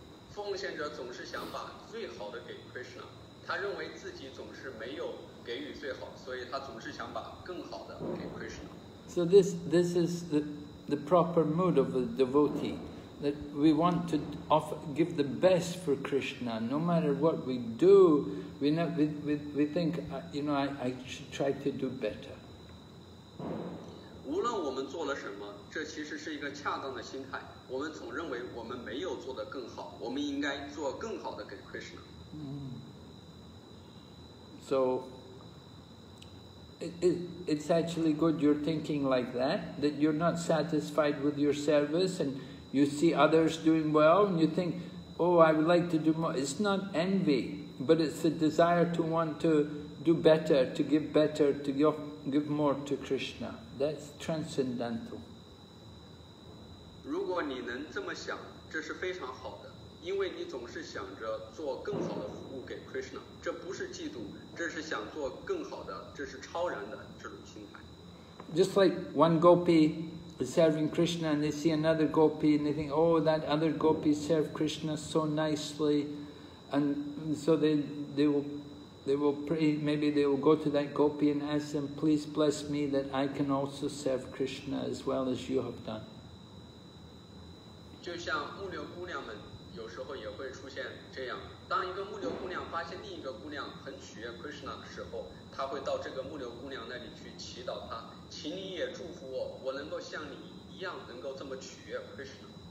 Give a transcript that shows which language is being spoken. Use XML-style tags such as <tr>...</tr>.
<zh>奉献者总是想把最好的给 Krishna. 他认为自己总是没有给予最好，所以他总是想把更好的给 Krishna.</zh> <en>So this is the proper mood of the devotee, that we want to give the best for Krishna. No matter what we do, we think, you know, I should try to do better.</en> <zh>无论我们做了什么，这其实是一个恰当的心态。我们总认为我们没有做得更好，我们应该做更好的给 Krishna.</zh> <en>So, it's actually good you're thinking like that you're not satisfied with your service and you see others doing well and you think, oh, I would like to do more. It's not envy, but it's a desire to want to do better, to give more to Krishna. That's transcendental.</en> <zh>如果你能这么想，这是非常好的，因为你总是想着做更好的服务给 Krishna. 这不是嫉妒，这是想做更好的，这是超然的这种心态。</zh> <en>Just like one gopi, serving Krishna, and they see another gopi, and they think, oh, that other gopi served Krishna so nicely, and so they will pray, maybe they will go to that gopi and ask them, please bless me that I can also serve Krishna as well as you have done.</en> <zh>就像木流姑娘们有时候也会出现这样，当一个木流姑娘发现另一个姑娘很取悦 Krishna 的时候，她会到这个木流姑娘那里去祈祷她，请你也祝福我，我能够像你一样能够这么取悦 Krishna。</zh>